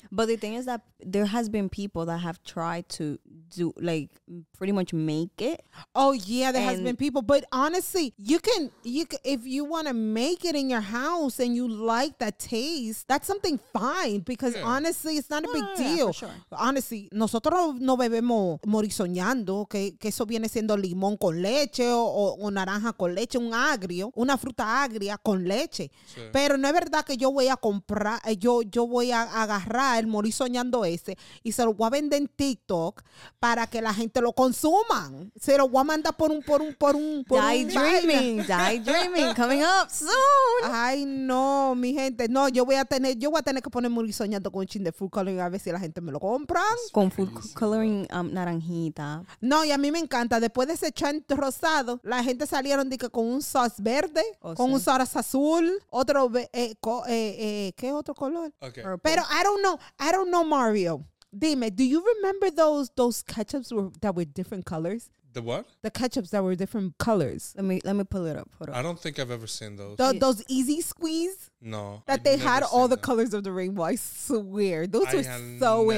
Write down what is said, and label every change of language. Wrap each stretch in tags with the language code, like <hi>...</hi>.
<en>But the thing is that there has been people that have tried to do, like, pretty much make it. Oh yeah, there has been people. But honestly, you can if you want to make it in your house and you like that taste, that's something fine, because honestly, it's not a big deal. Yeah, for sure.</en> <es>Honestly, nosotros no bebemos morisoñando, que eso viene siendo limón con leche o naranja con leche, un agrio, una fruta agria con leche. Sí. Pero no es verdad que yo voy a comprar, yo voy a agarrar el morisoñando ese y se lo voy a vender en TikTok para que la gente lo consuma. Se lo voy a mandar</es> <en>Die dreaming, coming up soon.</en> <es>Ay, no, mi gente. No, yo voy a tener que poner morisoñando con un chin de food coloring a ver si la gente me lo compran. Con food coloring, naranjita. No, y a mí me encanta. Después de ese chant rosado, la gente salieron de que con un sauce verde, un sauce azul, otro, ¿qué otro color?</es> <en>Okay. Pero I don't know, Mario. Dime, do you remember those ketchups that were different colors? The what? The ketchups that were different colors. Let me pull it up. Hold on. I don't think I've ever seen those. Those Easy Squeeze? No. That they had all the colors of the rainbow. I swear. Those were so in.</en>